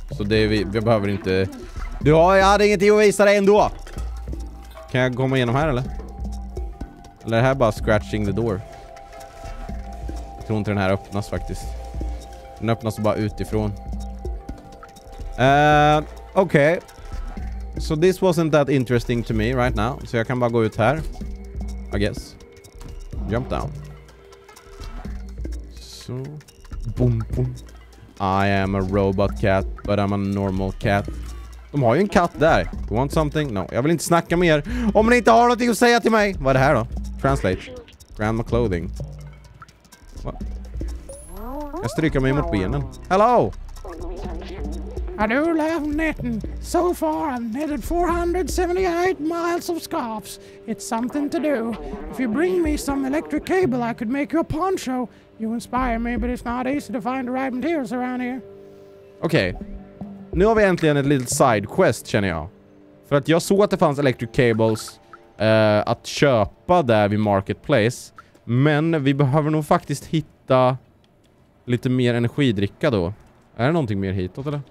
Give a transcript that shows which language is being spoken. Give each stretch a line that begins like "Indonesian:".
Swedish: Så det är vi behöver inte... Du har, jag hade ingenting att visa dig ändå! Kan jag komma igenom här eller? Eller är det här bara
English: scratching the door?
Swedish: Jag tror inte den här öppnas faktiskt. Den öppnas bara utifrån. Okej. Okay.
English: So this wasn't that interesting to me right now.
Swedish: Så jag kan bara gå ut här.
English: I guess. Jump down. So. Boom, boom. I am a robot cat, but I'm a normal cat.
Swedish: De har ju en katt där.
English: You want something? No.
Swedish: Jag vill inte snacka mer. Om ni inte har någonting att säga till mig. Vad är det här då?
English: Translate. Grandma clothing. What?
Swedish: Jag stryker mig mot benen.
English: Hello! I do love knitting. So far, I've knitted 478 miles of scarves. It's something to do. If you bring me some electric cable, I could make you a poncho. You inspire me, but it's not easy to find the right materials around here.
Swedish: Okej. Okay. Nu har vi äntligen ett litet side quest, känner jag. För att jag såg att det fanns electric cables att köpa där vid Marketplace. Men vi behöver nog faktiskt hitta lite mer energidricka då. Är det någonting mer hitåt eller?